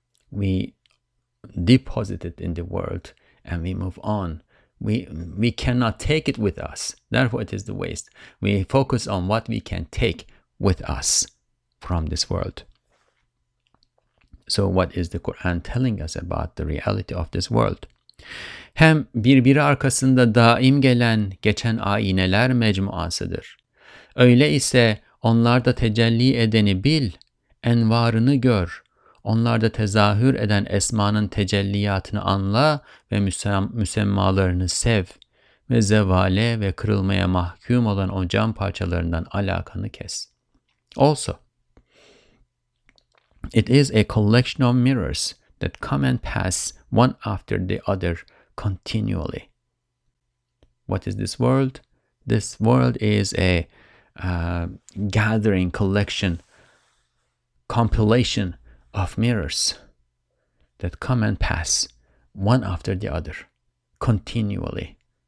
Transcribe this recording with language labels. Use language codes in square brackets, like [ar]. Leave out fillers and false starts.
[en] We deposit it in the world and we move on. We cannot take it with us. Therefore, it is the waste. We focus on what we can take with us from this world. So what is the Quran telling us about the reality of this world? [tr] Hem birbiri arkasında daim gelen geçen ayneler mecmuasıdır. Öyle ise onlarda tecelli edeni bil, envarını gör. Onlarda tezahür eden esmanın tecelliyatını anla ve müsemmalarını sev. Ve zevale ve kırılmaya mahkum olan o cam parçalarından alakanı kes. [en] Also, it is a collection of mirrors that come and pass one after the other continually. What is this world? This world is a gathering, collection, compilation of mirrors that come and pass one after the other continually.